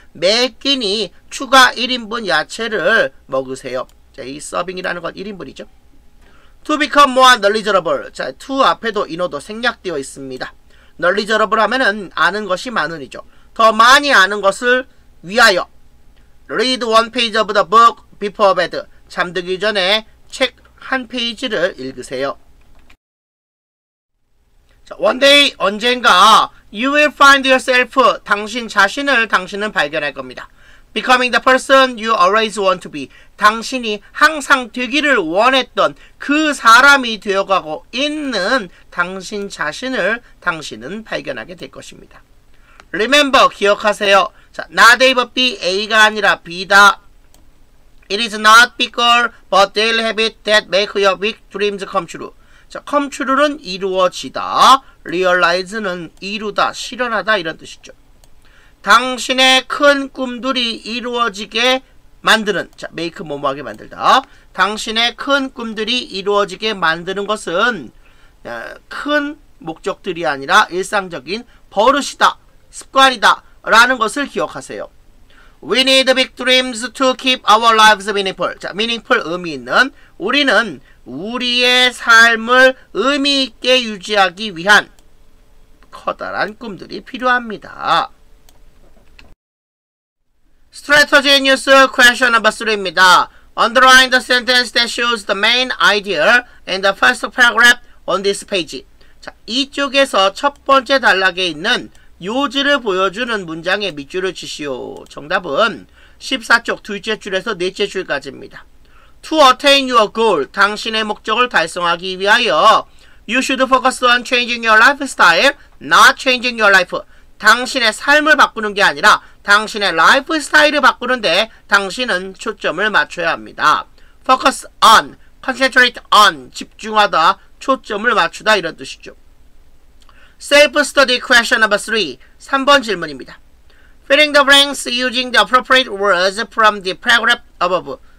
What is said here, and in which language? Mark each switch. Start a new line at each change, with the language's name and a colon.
Korean: 매 끼니 추가 1인분 야채를 먹으세요. 자, 이 serving이라는 건 1인분이죠.
English: To become more knowledgeable.
Korean: 자, to 앞에도 인어도 생략되어 있습니다. knowledgeable 하면은 아는 것이 많으니죠. 더 많이 아는 것을 위하여.
English: Read one page of the book before bed.
Korean: 잠들기 전에 책 한 페이지를 읽으세요. 자,
English: one day,
Korean: 언젠가,
English: you will find yourself,
Korean: 당신 자신을 당신은 발견할 겁니다.
English: Becoming the person you always want to be,
Korean: 당신이 항상 되기를 원했던 그 사람이 되어가고 있는 당신 자신을 당신은 발견하게 될 것입니다. Remember, 기억하세요. 자,
English: not A but B,
Korean: A가 아니라 B다.
English: It is not big goal but daily habit that make your big dreams come true.
Korean: 자,
English: come true
Korean: 는 이루어지다, realize는 이루다, 실현하다 이런 뜻이죠. 당신의 큰 꿈들이 이루어지게 만드는, 자, make 뭐뭐하게 만들다. 당신의 큰 꿈들이 이루어지게 만드는 것은 큰 목적들이 아니라 일상적인 버릇이다, 습관이다 라는 것을 기억하세요.
English: We need big dreams to keep our lives meaningful.
Korean: 자, meaningful 의미 있는, 우리는 우리의 삶을 의미 있게 유지하기 위한 커다란 꿈들이 필요합니다.
English: Strategy News Question No. 3입니다. Underline the sentence that shows the main idea in the first paragraph on this page.
Korean: 자, 이쪽에서 첫 번째 단락에 있는 요지를 보여주는 문장에 밑줄을 치시오. 정답은 14쪽 둘째 줄에서 넷째 줄까지입니다.
English: To attain your goal,
Korean: 당신의 목적을 달성하기 위하여
English: You should focus on changing your lifestyle, not changing your life.
Korean: 당신의 삶을 바꾸는 게 아니라 당신의 라이프스타일을 바꾸는데 당신은 초점을 맞춰야 합니다.
English: Focus on, concentrate on,
Korean: 집중하다, 초점을 맞추다 이런 뜻이죠.
English: Self-study question number 3,
Korean: 3번 질문입니다.
English: Filling the blanks using the appropriate words from the paragraph above.